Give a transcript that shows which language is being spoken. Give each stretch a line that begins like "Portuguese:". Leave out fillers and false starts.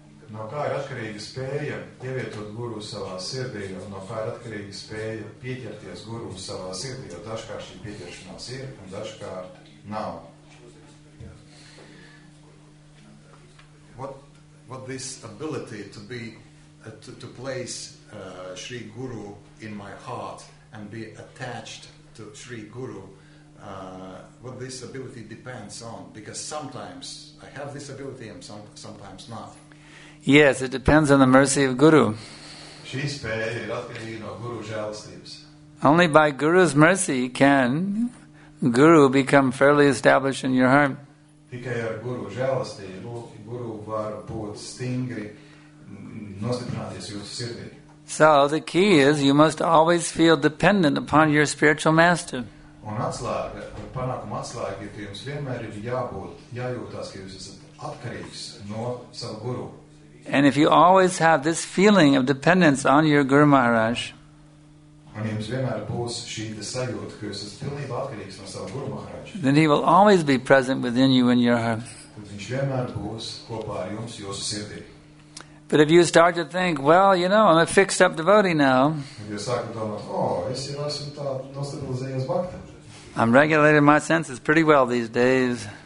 Latvian: No kā ir atkarīga spēja ievietot guru savā sirdī, un no kā ir atkarīga spēja pieķerties guru savā sirdī, jo dažkārt šī pieķeršanās ir, un dažkārt nav.
English: What this ability to be, to place Shri Guru in my heart and be attached to Shri Guru, what this ability depends on, because sometimes I have this ability and sometimes not. Yes, it depends on the mercy of Guru.
Latvian: Šī spēja ir atkarīga no Guru žēlastības.
English: Only by Guru's mercy can Guru become fairly established in your heart.
Latvian: Tikai ar Guru žēlastību Guru var būt stingri nostiprināties jūsu sirdī.
English: So the key is you must always feel dependent upon your spiritual master.
Latvian: Un atslēga, panākuma atslēga, ka jums vienmēr ir jābūt, jājūtās, ka jūs esat atkarīgs no savu Guru.
English: And if you always have this feeling of dependence on your Guru Maharaj,
Latvian: un jums vienmēr būs šī sajūta, ka jūs esat pilnībā atkarīgs no savu Guru Maharaj,
English: then he will always be present within you in your heart.
Latvian: Viņš vienmēr būs kopā ar jums jūsu sirdī.
English: But if you start to think, well, you know, I'm a fixed up devotee now.
Latvian: Jūs sākat domāt, es jau esmu tā nostabilizējies bhakta.
English: I'm regulating my senses pretty well these days.